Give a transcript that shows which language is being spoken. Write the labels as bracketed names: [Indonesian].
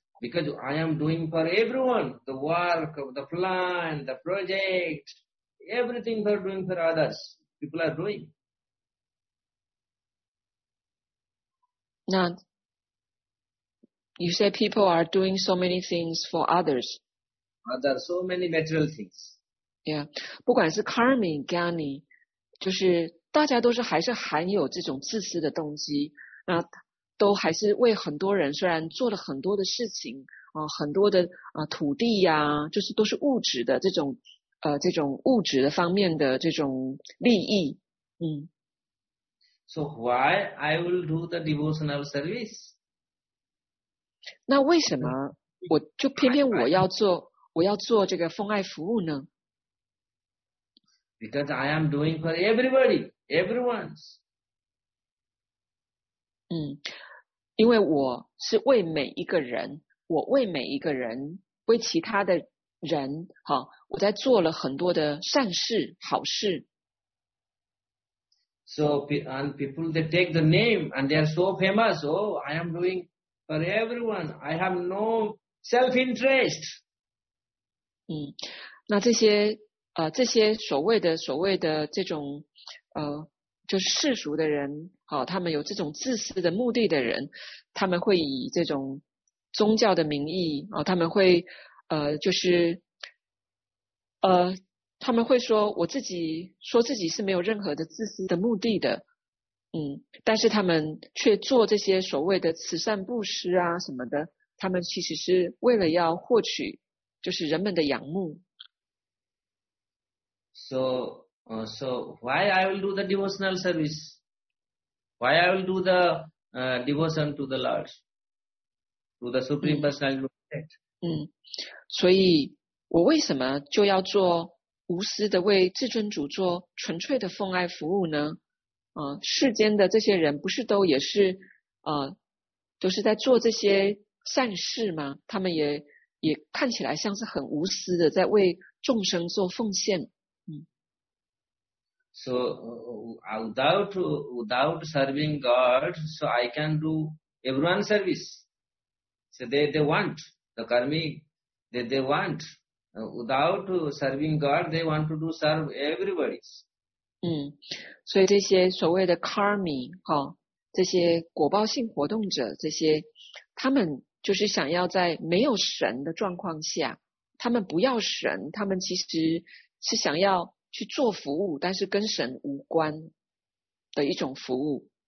[English] Because I am doing for everyone, the work, the plan, the project, everything they are doing for others, people are doing. 那, you say people are doing so many things for others. There are so many material things. [Chinese] Yeah, 不管是 karmic, gyani, 就是大家都是还是含有这种自私的动机，那都还是为很多人，虽然做了很多的事情啊，很多的啊土地呀、啊，就是都是物质的这种这种物质的方面的这种利益，嗯。 [English] So why I will do the devotional service? [Chinese] 那为什么我就偏偏我要做这个奉爱服务呢？ [English] Because I am doing for everybody, everyone's. [Chinese] 嗯，因为我是为每一个人，我为每一个人，为其他的人，哈，我在做了很多的善事、好事。 [English] So and people they take the name and they are so famous. Oh, I am doing for everyone. I have no self-interest. [Chinese] 嗯，那这些。这些所谓的这种就是世俗的人好、哦、他们有这种自私的目的的人，他们会以这种宗教的名义啊、哦、他们会就是他们会说我自己说自己是没有任何的自私的目的的，嗯，但是他们却做这些所谓的慈善布施啊什么的，他们其实是为了要获取就是人们的仰慕。 [English] So why I will do the devotional service? Why I will do the devotion to the Lord, to the Supreme Personality of Godhead? [Chinese] 所以我为什么就要做无私的为至尊主做纯粹的奉爱服务呢？世间的这些人不是都也是都是在做这些善事吗？他们也看起来像是很无私的在为众生做奉献。 [English] So without serving God, so I can do everyone's service. So they want the karmi, they want without serving God, they want to serve everybody's. [Chinese] 所以这些所谓的 karmi 哈、哦，这些果报性活动者，这些他们就是想要在没有神的状况下，他们不要神，他们其实是想要。去做服务，但是跟神无关的一种服务。